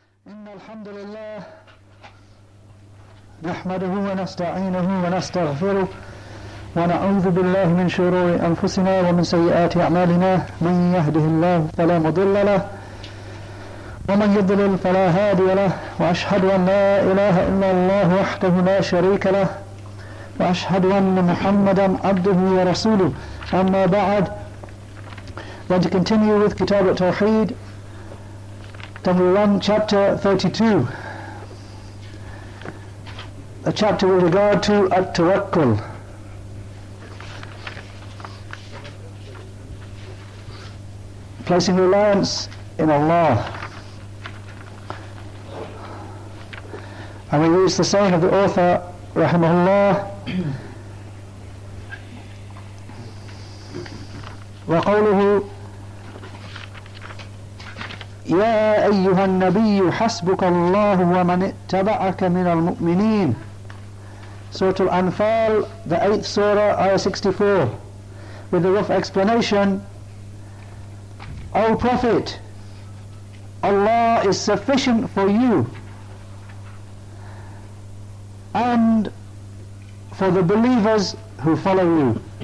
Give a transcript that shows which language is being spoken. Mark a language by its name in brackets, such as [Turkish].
[Arabic] إن الحمد لله نحمده ونستعينه ونستغفره ونعوذ بالله من شرور أنفسنا ومن سيئات أعمالنا، من يهده الله فلا مضل له ومن يضلل فلا هادي له، وأشهد أن لا إله إلا الله وحده لا شريك له، وأشهد أن محمدا عبده ورسوله. أما بعد، [English] let's continue with Kitab al-Tawheed. Then we run chapter 32, a chapter with regard to At-Tawakkul. Placing reliance in Allah. And we use the saying of the author, Rahimahullah, [Arabic] وَقَوْلُهُ يا أيها النبي حسبك الله ومن اتبعك من المؤمنين. [English] سورة الأنفال, the 8th surah, ayah 64, with a rough explanation. O Prophet, Allah is sufficient for you and for the believers who follow you.